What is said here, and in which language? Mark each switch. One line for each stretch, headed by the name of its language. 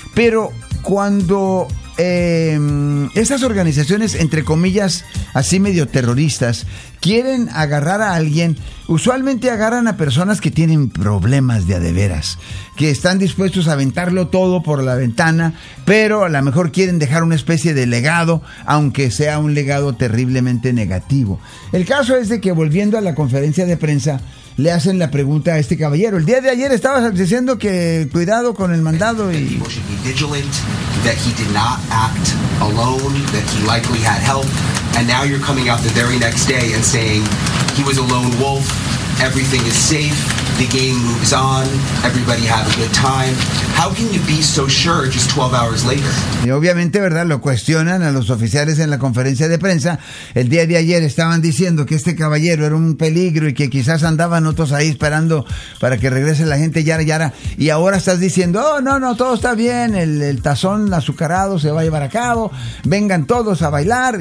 Spanish: Pero cuando esas organizaciones, entre comillas, así medio terroristas, quieren agarrar a alguien, usualmente agarran a personas que tienen problemas de a de veras, que están dispuestos a aventarlo todo por la ventana, pero a lo mejor quieren dejar una especie de legado, aunque sea un legado terriblemente negativo. El caso es de que, volviendo a la conferencia de prensa, le hacen la pregunta a este caballero. El día de ayer estabas diciendo que cuidado con el mandado y
English: that he did not act alone, that he likely had help, and now you're coming out the very next day and saying he was a lone wolf, everything is safe, the game moves on, everybody have a good time. How can you be so sure just 12 hours later?
Spanish: Y obviamente, ¿verdad?, lo cuestionan a los oficiales en la conferencia de prensa. El día de ayer estaban diciendo que este caballero era un peligro y que quizás andaban otros ahí esperando para que regrese la gente, yara, yara. Y ahora estás diciendo, oh, no, no, todo está bien, el tazón azucarado se va a llevar a cabo, vengan todos a bailar.